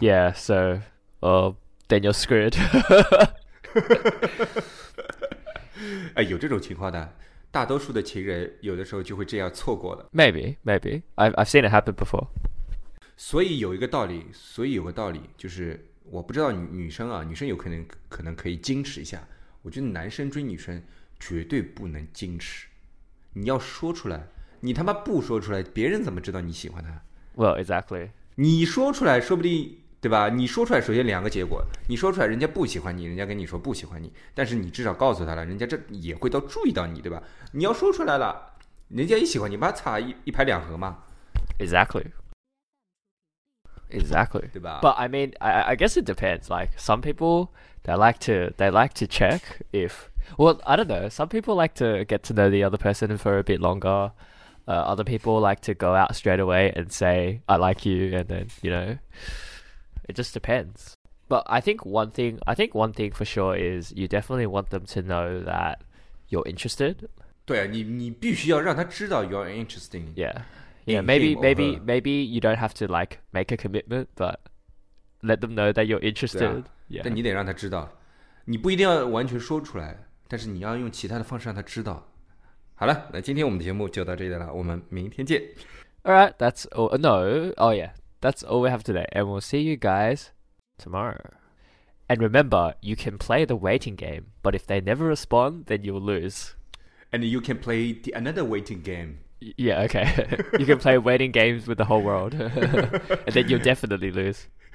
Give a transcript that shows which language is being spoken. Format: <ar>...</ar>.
<en>Yeah, so, then you're screwed.</en> <zh>哎，有这种情况的，大多数的情人有的时候就会这样错过的。</zh> <en>Maybe, maybe. I've seen it happen before.</en> <zh>所以有个道理，就是我不知道女生啊，女生有可能可以矜持一下。我觉得男生追女生绝对不能矜持，你要说出来，你他妈不说出来，别人怎么知道你喜欢他</zh> <en>？Well, exactly.</en> <zh>你说出来，说不定。对吧，你说出来首先两个结果，你说出来人家不喜欢你，人家跟你说不喜欢你，但是你至少告诉他了，人家这也会都注意到你，对吧？你要说出来了，人家一喜欢你把擦 一拍两合嘛。</zh> <en>Exactly. Exactly.</en> <zh>对吧？</zh> <en>But I mean, I guess it depends. Like, some people, they like to check if, well, I don't know, some people like to get to know the other person for a bit longer. Other people like to go out straight away and say, I like you, and then, you know,It just depends. But I think one thing for sure is you definitely want them to know that you're interested.</en> <zh>对啊，你必须要让他知道</zh> <en>you're interesting. Yeah, maybe you don't have to like make a commitment, but let them know that you're interested.</en> <zh>对啊，</zh> <en>yeah.</en> <zh>但你得让他知道，你不一定要完全说出来，但是你要用其他的方式让他知道。好了，那今天我们的节目就到这里了，我们明天见。</zh> <en>All right, that's all. No, oh yeah. That's all we have today, and we'll see you guys tomorrow. And remember, you can play the waiting game, but if they never respond, then you'll lose. And you can play another waiting game. Yeah, okay. You can play waiting games with the whole world. And then you'll definitely lose.</en>